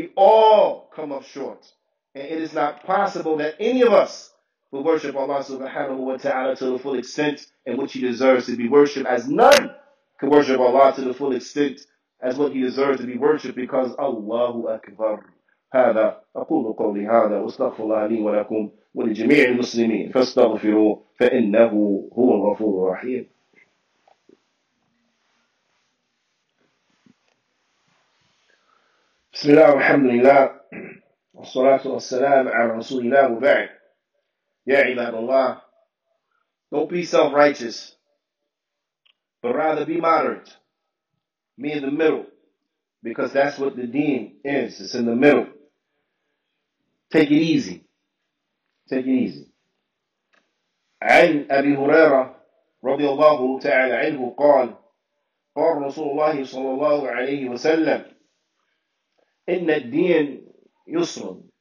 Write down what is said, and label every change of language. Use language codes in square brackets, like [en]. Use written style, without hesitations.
[en] We all come up short. And it is not possible that any of us will worship Allah subhanahu wa ta'ala to the full extent in which He deserves to be worshipped, as none can worship Allah to the full extent as what He deserves to be worshipped, because Allahu Akbar. [ar] هذا أقول قولي هذا واستغفر الله لي ولكم ولجميع المسلمين فاستغفروا فإنه هو الغفور الرحيم. بسم الله والحمد لله والصلاة والسلام على رسول الله وبعد. يا عباد الله, [en] don't be self-righteous, but rather be moderate, be in the middle, because that's what the deen is, it's in the middle. Take it easy. Take it easy. [ar] عن أبي هريرة رضي الله تعالى عنه قال قال رسول الله صلى الله عليه وسلم إن الدين يسر.